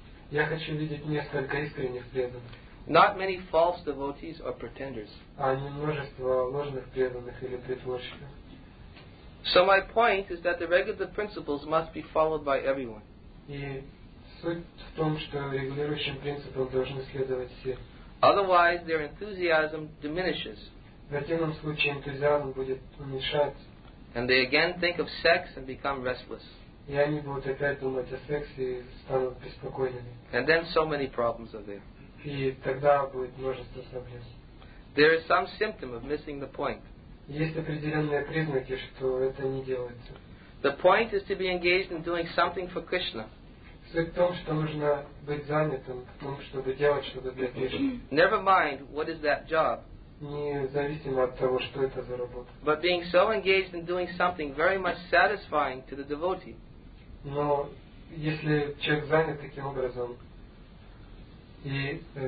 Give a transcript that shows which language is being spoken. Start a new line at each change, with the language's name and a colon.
Russian: Я хочу видеть несколько искренних преданных.
English: Not many false devotees or pretenders.
Russian: А не множество ложных преданных или притворщиков.
English: So my point is that the regular principles must be followed by everyone.
Russian: Суть в том, что регулирующим принципам должны следовать все.
English: Otherwise, their enthusiasm diminishes.
Russian: В противном случае энтузиазм будет уменьшаться.
English: And they again think of sex and become restless.
Russian: И они будут опять думать о сексе и станут беспокойными.
English: And then so many problems are there.
Russian: И тогда будет множество проблем.
English: There is some symptom of missing the point.
Russian: Есть определенные признаки, что это не делается.
English: The point is to be engaged in doing something for Krishna.
Russian: Суть в том, что нужно быть занятым, в том, чтобы делать что-то для Кришны.
English: Never mind, what is that job?
Russian: Независимо от того, что это за работа.
English: But being so engaged in doing something very much satisfying to the devotee.
Russian: Но если человек занят таким образом и